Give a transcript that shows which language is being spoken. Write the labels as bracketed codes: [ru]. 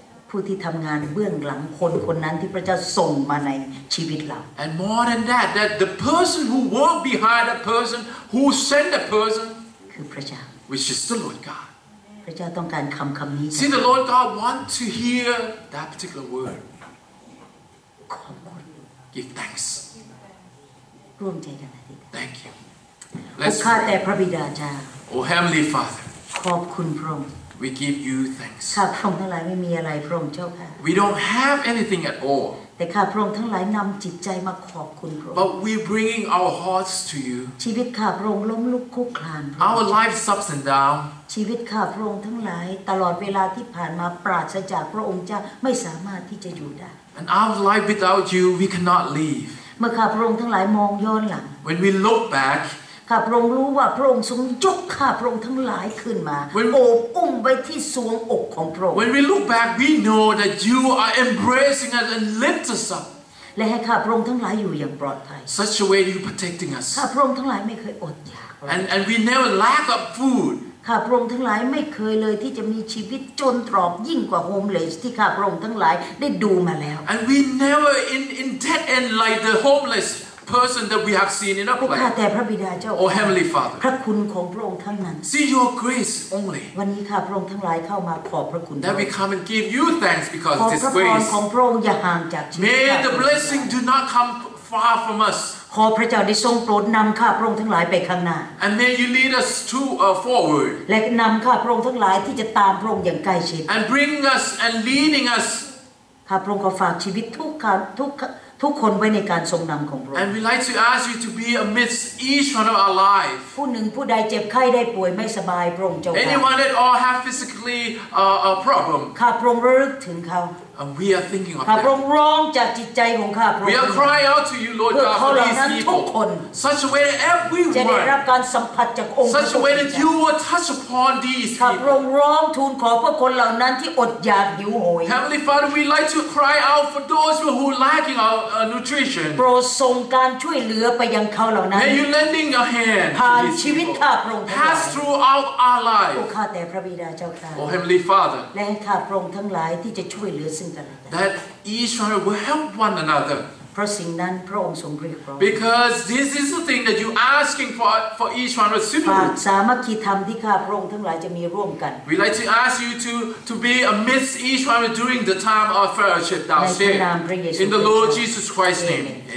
[th] ผู้ที่ทำงานเบื้องหลังคนคนนั้นที่พระเจ้าส่งมาในชีวิตเรา [en] and more than that that the person who walked behind that person who sent that person [th] คือพระเจ้า [en] which is the Lord God [th] พระเจ้าต้องการคำนี้ [en] see the Lord God want to hear that particular word [th] ขอบคุณ [en] give thanks [th] ร่วมใจกัน [en] Thank you. Let's pray. [th] ข้าแต่พระบิดาเจ้า [en] O Heavenly Father. [th] ขอบคุณพระองค์ [en] We give you thanks. [th] ข้าพระองค์ทั้งหลายไม่มีอะไรพระองค์เจ้าค่ะ [en] We don't have anything at all. [th] แต่ข้าพระองค์ทั้งหลายนำจิตใจมาขอบคุณพระองค์ [en] But we bringing our hearts to you. [th] ชีวิตข้าพระองค์ล้มลุกคลุกคลาน [en] Our life ups and down. [th] ชีวิตข้าพระองค์ทั้งหลายตลอดเวลาที่ผ่านมาปราศจากพระองค์เจ้าไม่สามารถที่จะอยู่ได้ [en] And our life without you we cannot live. [th] เมื่อข้าพระองค์ทั้งหลายมองย้อนหลัง [en] When we look back [th] ข้าพระองค์รู้ว่าพระองค์ทรงยกข้าพระองค์ทั้งหลายขึ้นมาโอบอุ้มไว้ที่ทรวงอกของพระองค์ [en] When we look back we know that you are embracing us and lift us up [th] และให้ข้าพระองค์ทั้งหลายอยู่อย่างปลอดภัย [en] Such a way you protecting us [th] ข้าพระองค์ทั้งหลายไม่เคยอดอยาก [en] And we never lack of food [th] ข้าพระองค์ทั้งหลายไม่เคยเลยที่จะมีชีวิตจนตรอกยิ่งกว่าโฮมเลสที่ข้าพระองค์ทั้งหลายได้ดูมาแล้ว [en] And we never in dead end like the homelessperson that we have seen in our life. [th] แต่พระบิดาเจ้า [en] Oh heavenly Father. [th] พระคุณของพระองค์ทั้งนั้น [en] See your grace only. [th] วันนี้ข้าพระองค์ทั้งหลายเข้ามาขอบพระคุณ [en] That we come and give you thanks because of this grace. [th] ขอบพระคุณของพระองค์อย่าห่างจากชี [en] วิตเรา May the blessing do not come far from us. [th] ขอพระเจ้าได้ทรงโปรดนำข้าพระองค์ทั้งหลายไปข้างหน้า [en] And may you lead us to forward. [th] และนำข้าพระองค์ทั้งหลายที่จะตามพระองค์อย่างใกล้ชิด [en] And bring us and leading us. [th] ข้าพระองค์ขอฝากชีวิตทุกคนไว้ในการทรงนำของพระองค์ [en] And we like to ask you to be amidst each one of our life [th] ผู้หนึ่งผู้ใดเจ็บไข้ได้ป่วยไม่สบายพระองค์เจ้า [en] Anyone that all have physically a problem [th] ข้าพระองค์รู้ถึงเขา [en] And we are thinking of them [th] ข้าพระองค์ร้องจากจิตใจของข้าพระองค์ [en] We are crying out to you Lord God for these people [th] ทุกคน [en] Such a way that everyone [th] จะได้รับการสัมผัสจากองค์ [en] พระ Such a way that you will touch upon these people [th] ข้าพระองค์ร้องทูลขอเพื่อคนเหล่านั้นที่อดอยากหิวโหย [en] Heavenly Father we like to cry out for those who are lacking ournutrition [th] โปรดส่งการช่วยเหลือไปยังเขาเหล่านั้น [en] May you lending a hand [th] ผ่านชีวิตข้าพระองค์ [en] Pass throughout our life [th] โอ้ข้าแต่พระบิดาเจ้าข้า [en] Oh Heavenly Father [th] และข้าพระองค์ทั้งหลายที่จะช่วยเหลือซึ่งกันและกัน [en] That each one will help one another [th] เพราะสิ่งนั้นพระองค์ทรงเรียกร้อง [en] Because this is the thing that you asking for each one of us [th] ฝากสามัคคีธรรมที่ข้าพระองค์ทั้งหลายจะมีร่วมกัน [en] We like to ask you to be amidst each one during the time of fellowship downstairs in the Lord Jesus Christ's name.